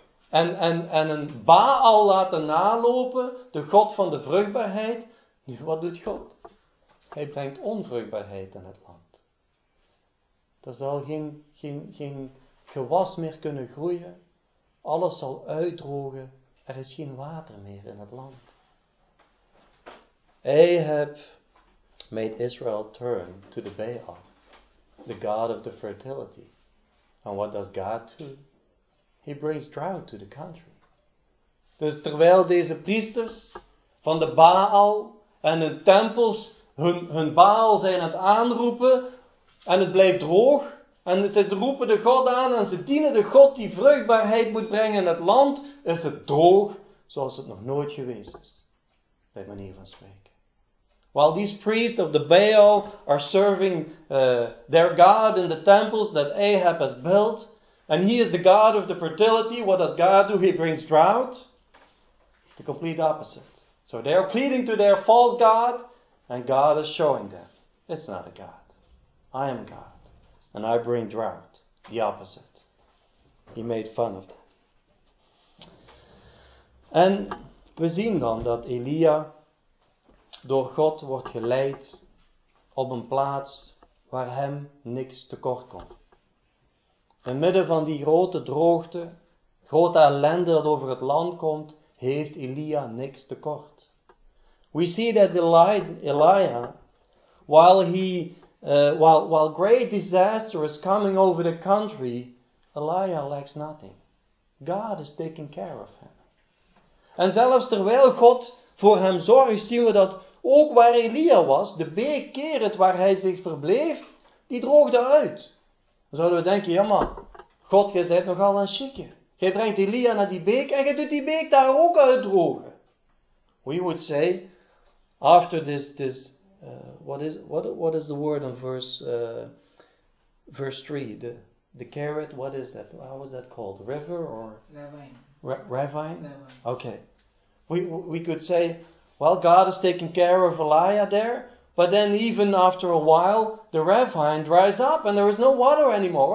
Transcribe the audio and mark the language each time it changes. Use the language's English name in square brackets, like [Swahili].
[Dutch] En een Baal laten nalopen, de God van de vruchtbaarheid. Nu, wat doet God? Hij brengt onvruchtbaarheid in het land. Er zal geen gewas meer kunnen groeien. Alles zal uitdrogen. Er is geen water meer in het land. [English] Ahab made Israel turn to the Baal, the god of the fertility. And what does God do? He brings drought to the country. [Dutch] Dus terwijl deze priesters van de Baal en hun tempels hun Baal zijn aan het aanroepen en het blijft droog en ze roepen de God aan en ze dienen de God die vruchtbaarheid moet brengen in het land, is het droog zoals het nog nooit geweest is, bij manier van spreken. [English] While these priests of the Baal are serving their god in the temples that Ahab has built, and he is the god of the fertility, what does God do? He brings drought. The complete opposite. So they are pleading to their false god, and God is showing them, it's not a god. I am God, and I bring drought. The opposite. He made fun of them. [Dutch] And we zien dan dat Elia door God wordt geleid op een plaats waar hem niks tekort komt. In midden van die grote droogte, grote ellende dat over het land komt, heeft Elia niks tekort. [English] We see that Elijah, while great disaster is coming over the country, Elijah lacks nothing. God is taking care of him. [Dutch] En zelfs terwijl God voor hem zorgt, zien we dat ook waar Elia was, de bekeret waar hij zich verbleef, die droogde uit. Dan zouden we denken, ja maar, God, jij bent nogal een chique. Jij brengt Elia naar die beek en je doet die beek daar ook uitdrogen. [English] We would say, after this what is the word in verse 3? The carrot, what is that? How was that called? River or? Ravine. Okay. We could say, well, God is taking care of Elijah there, but then even after a while, the ravine dries up and there is no water anymore.